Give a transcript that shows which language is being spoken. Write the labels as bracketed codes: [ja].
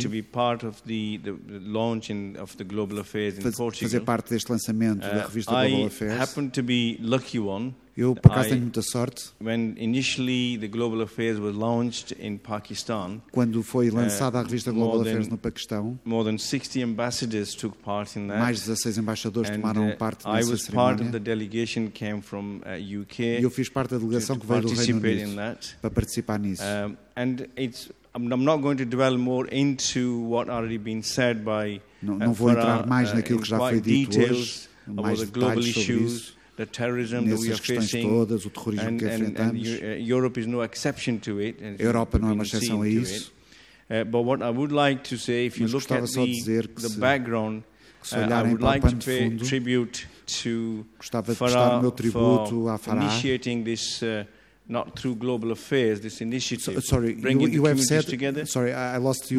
[en] To be part of the launch of the Global Affairs in Portugal. [pt] Fazer parte deste lançamento da revista Global Affairs. [en] I happened to be lucky one. [pt] Eu, por acaso, tenho muita sorte. [en] When initially the Global Affairs was launched in Pakistan, [pt] quando foi lançada a revista Global Affairs no Paquistão, [en] more than 60 ambassadors took part in that, [pt] mais de 16 embaixadores tomaram parte nessa cerimónia. [en] I was part of the delegation came from UK. [pt] Eu fiz parte da delegação que veio do Reino Unido para participar nisso. [en] And it's I'm not going to dwell more into what already been said by [pt] não vou entrar mais naquilo que já foi dito hoje, mais [en] the global issues. The terrorism [pt] nessas [en] that we are [pt] questões [en] facing, [pt] todas, o terrorismo que enfrentamos. [en] Europe is no exception to it, [pt] a Europa não é uma exceção a isso. [en] But what I would like to say, if you look at the background, I would like to pay tribute to [pt] gostava de prestar o meu tributo à Farah, [en] initiating this, not through Global Affairs, this initiative. Sorry, you have said. Together. Sorry, I lost you.